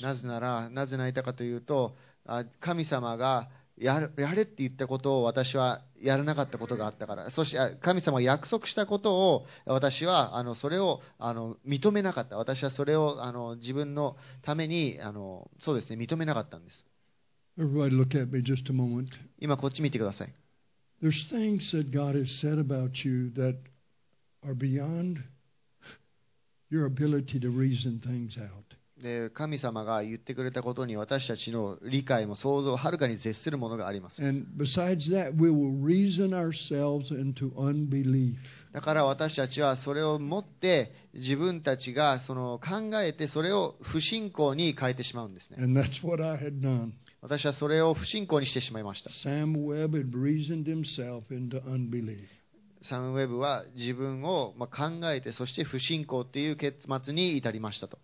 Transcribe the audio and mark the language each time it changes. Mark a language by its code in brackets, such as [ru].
[ja] なぜ泣いたかというと神様がやれって言ったことを私はやらなかったことがあったからそして神様が約束したことを私はあのそれをあの認めなかった私はそれをあの自分のためにあのそうですね認めなかったんです [en] Everybody look at me just a moment. [ja] 今こっち見てください [en] There's things that God has said about you that are beyond your ability to reason things out. [ja] で神様が言ってくれたことに私たちの理解も想像をはるかに絶するものがあります。 [en] And besides that, we will reason ourselves into unbelief. [ja] だから私たちはそれを持って自分たちがその考えてそれを不信仰に変えてしまうんですね。 [en] And that's what I had done. [ja] 私はそれを不信仰にしてしまいました。 [en] Sam Webb had reasoned himself into unbelief. [ja] サム・ウェブは自分を考えてそして不信仰という結末に至りましたと。